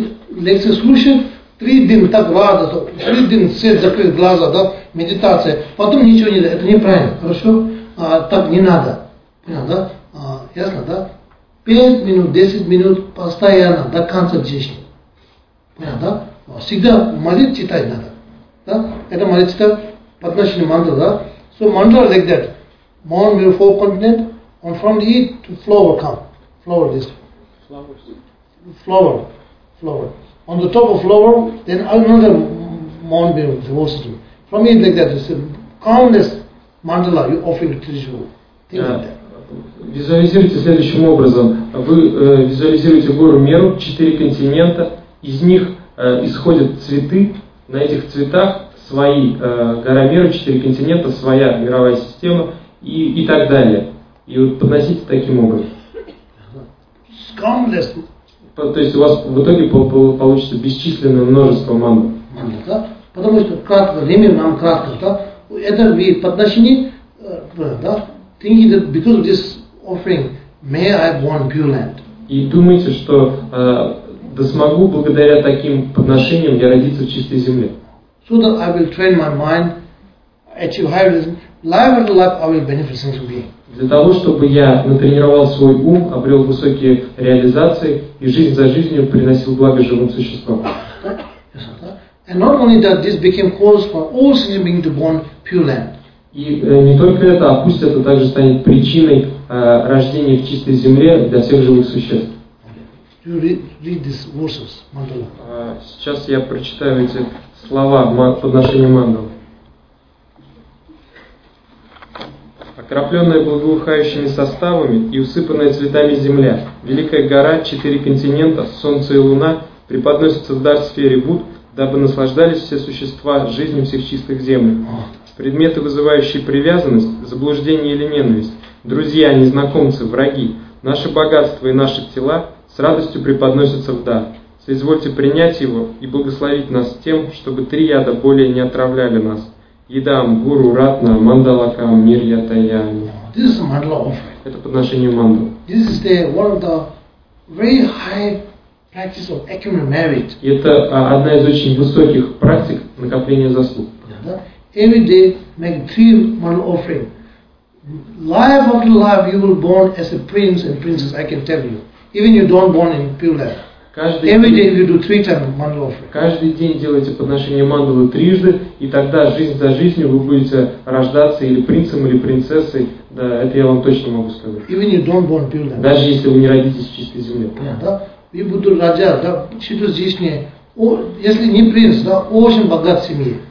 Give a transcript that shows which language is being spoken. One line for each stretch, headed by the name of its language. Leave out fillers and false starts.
Russian: Лекции слушать, три дня так рада, три дня цель закрыть глаза, да, медитация, потом ничего не делать, это неправильно, хорошо? Так не надо, понятно, да? Ясно, да? 5 минут, 10 минут постоянно, до конца жизни, понятно, да? Всегда молитву читать надо, да? Это молитву читать по отношению мандалы, да?
English: So mandala like that, Mount Meru four continent, and from the heat to flower come, flower this. Flowers. Flower. On the top of flower, then another Mount Meru, the whole system. From here like that, it's a countless mandala you offer to Vishnu.
Russian: Визуализируйте следующим образом. Вы визуализируете гору Меру, четыре континента, из них исходят цветы, на этих цветах свои гора Меру, четыре континента, своя мировая система и так далее. И вот подносите таким образом. То есть у вас в итоге получится бесчисленное множество мандал. Потому что кратко, время нам кратко, да? Это вы подношение, да?
English: Thinking that because of this offering, may I have won pure land?
Russian: И думаете, что да смогу благодаря таким подношениям я родиться в чистой земле?
English: So that I will train my mind, achieve higher wisdom, life after life I will benefit sentient being.
Russian: Для того, чтобы я натренировал свой ум, обрел высокие реализации и жизнь за жизнью приносил благо живым существам.
English: And not only that, this became cause for all sentient beings to born pure land.
Russian: И не только это, а пусть это также станет причиной рождения в чистой земле для всех живых существ.
English: Read these verses, mandala.
Russian: Сейчас я прочитаю эти слова подношения мандалы. Окропленная благоухающими составами и усыпанная цветами земля, великая гора, четыре континента, солнце и луна преподносятся в дар сфере Буд, дабы наслаждались все существа жизнью всех чистых земель. Предметы, вызывающие привязанность, заблуждение или ненависть, друзья, незнакомцы, враги, наше богатство и наши тела с радостью преподносятся в дар. Соизвольте принять его и благословить нас тем, чтобы три яда более не отравляли нас.
Sanskrit: Идам, гуру, ратна, мандалакам, мир ятаям.
Russian: Это подношение мандал.
English: This is the one of the very high practice of accumulating merit.
Russian: Это одна из очень высоких практик накопления заслуг.
English: Every day make three mandala offering. Life after life you will born as a prince and princess, I can tell you. Even you don't born in pure land. Every day you do three times mandala offering.
Russian: Каждый день делайте подношение мандалы трижды, и тогда жизнь за жизнью вы будете рождаться или принцем, или принцессой. Да, это я вам точно могу сказать.
English: Even you don't born pure land.
Russian: Даже если вы не родитесь в чистой земле. Вы будете рождаться, если не принц, да, очень богат в семье.